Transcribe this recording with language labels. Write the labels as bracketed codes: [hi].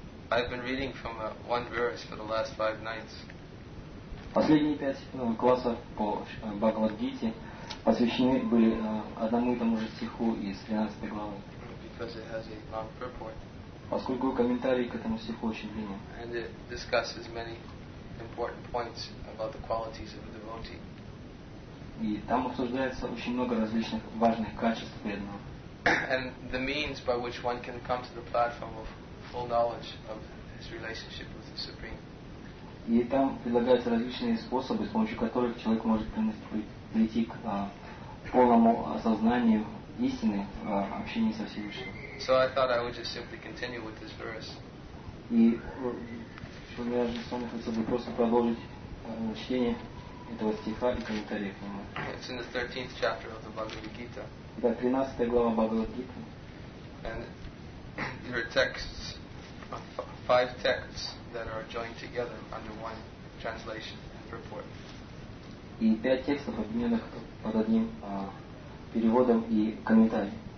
[en] I've been reading from one verse for the last five nights. [ru] Последние пять классов по Бхагавад-гите посвящены были одному и тому же стиху из 13 главы. [en] Because it has a long purport. [ru] Поскольку комментарий к этому стиху очень длинный. [en] And it discusses many important points about the qualities of a devotee. [ru] И там обсуждается очень много различных важных качеств преданного. [en] And the means by which one can come to the platform of full knowledge of his relationship with the Supreme. [ru] И там предлагаются различные способы, с помощью которых человек может прийти к полному осознанию истины в общении со Всевышним. [en] So I thought I would just simply continue with this verse. [ru] И мне даже с вами хотелось бы просто продолжить чтение этого стиха и комментарии к нему. [en] It's in the 13th chapter of the Bhagavad Gita. [ru] Да, 13 глава Бхагавад Гиты. [en] And there are texts, five texts that are joined together under one translation and purport. [ru] И пять текстов объединенных под одним переводом и комментарием.